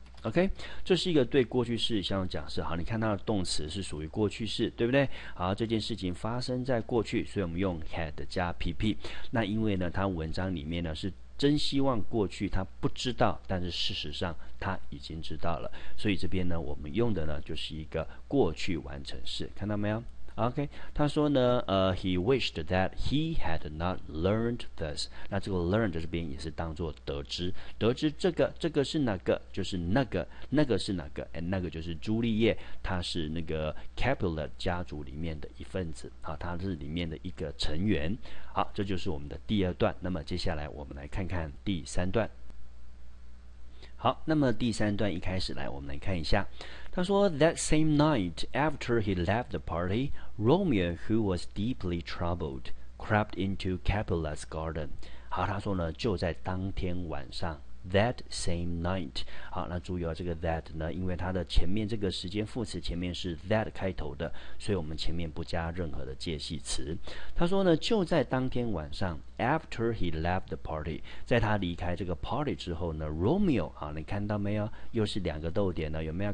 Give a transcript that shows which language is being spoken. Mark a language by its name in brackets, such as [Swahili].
[Chinese] OK， 这是一个对过去式相的假设。好，你看它的动词是属于过去式，对不对？好，这件事情发生在过去，所以我们用 had 加 PP。那因为呢，它文章里面呢是真希望过去他不知道，但是事实上他已经知道了。所以这边呢，我们用的呢就是一个过去完成式，看到没有？ [English] OK， [Chinese] 他说呢， [English] he wished that he had not learned this。 [Chinese] 那这个 learned 这边也是当作得知，得知这个，这个是哪个？就是那个，那个是哪个？哎，那个就是朱丽叶，她是那个 Capulet 家族里面的一份子，啊，她是里面的一个成员。好，这就是我们的第二段。那么接下来我们来看看第三段。好，那么第三段一开始来，我们来看一下。他说 [English] ,That same night, after he left the party, Romeo, who was deeply troubled, crept into Capulet's garden. [Chinese] 好，他说呢，就在当天晚上 , [English] That same night. [Chinese] 好，那注意哦，这个 that 呢，因为它的前面这个时间副词前面是 that 开头的，所以我们前面不加任何的介系词。他说呢，就在当天晚上 , [English] after he left the party, [Chinese] 在他离开这个 party 之后呢 ,Romeo, 好，你看到没有，又是两个逗点呢，有没有？